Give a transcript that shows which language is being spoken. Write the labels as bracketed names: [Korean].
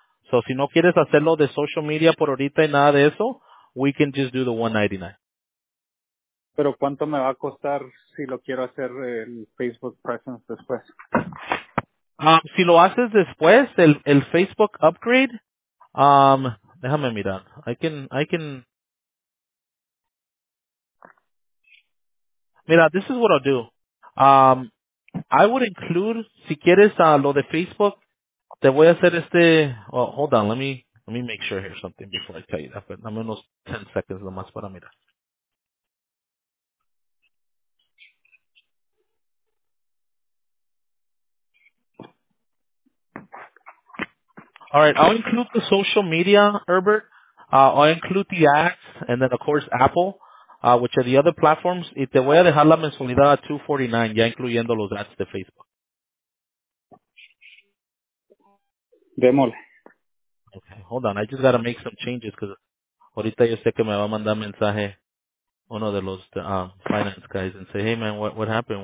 [Spanish] So si no quieres hacerlo de social media por ahorita y nada de eso, [English] we can just do the $199. [Spanish] ¿Pero cuánto me va a costar si lo quiero hacer el Facebook Presence después? Si lo haces después, el Facebook upgrade, déjame mirar. [English] I can Mira, this is what I'll do. I would include, [Spanish] si quieres lo de Facebook, te voy a hacer este, [English] well, hold on, let me make sure here something before I tell you that, but [Spanish] dame unos [English] 10 seconds [Spanish] nomás para mirar. [English] All right, I'll include the social media, Herbert. I'll include the ads, and then, of course, Apple, which are the other platforms. [Spanish] Y te voy a dejar la mensualidad a $249, ya incluyendo los ads de Facebook. Démole. [English] Okay, hold on. I just got to make some changes because [Spanish] ahorita yo sé que me va a mandar mensaje uno de los [English] finance guys and say, hey, man, what happened?